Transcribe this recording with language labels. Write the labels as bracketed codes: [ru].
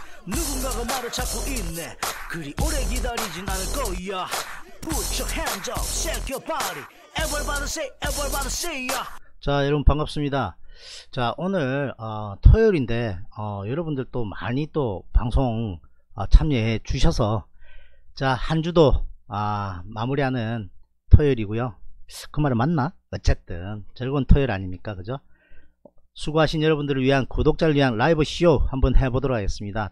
[ko] 누군가가 말을 찾고 있네. 그리 오래 기다리진 않을 거야. [en] Put your hands up, shake your body. Everybody say, everybody say, yeah. [ko] 자, 여러분 반갑습니다. 자, 오늘 토요일인데 여러분들 또 많이 또 방송 참여해 주셔서 자, 한 주도 마무리하는 토요일이고요. 그 말은 맞나? 어쨌든 즐거운 토요일 아닙니까? 그죠? 수고하신 여러분들을 위한 구독자를 위한 라이브 쇼 한번 해보도록 하겠습니다.